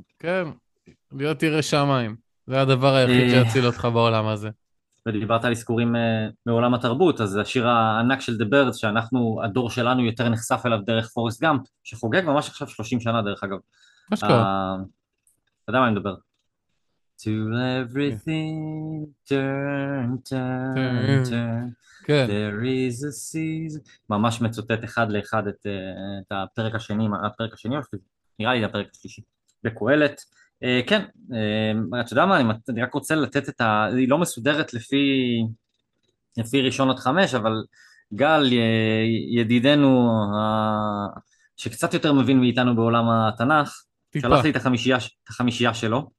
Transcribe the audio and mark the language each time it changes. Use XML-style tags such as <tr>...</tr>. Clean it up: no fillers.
<he>כן, להיות ירא שמיים. זה הדבר היחיד שיציל אותך בעולם הזה. ודיברת על הסקורים מעולם התרבות, אז השיר הענק של The Birds, שאנחנו, הדור שלנו יותר נחשף אליו דרך פורסט גאמפ, שחוגג ממש עכשיו 30 שנה דרך אגב. מה שקורה? אתה יודע מה אני מדבר?</he> <en>To everything, turn, turn, turn, there is a season.</en> <he>ממש מצוטט אחד לאחד את הפרק השני, הפרק השני, נראה לי את הפרק השלישי, בקהלת. כן, את יודע מה, אני רק רוצה לתת את ה... היא לא מסודרת לפי ראשון עד חמש, אבל גל, ידידנו שקצת יותר מבין מאיתנו בעולם התנ"ך, שלח לי את החמישייה שלו.</he>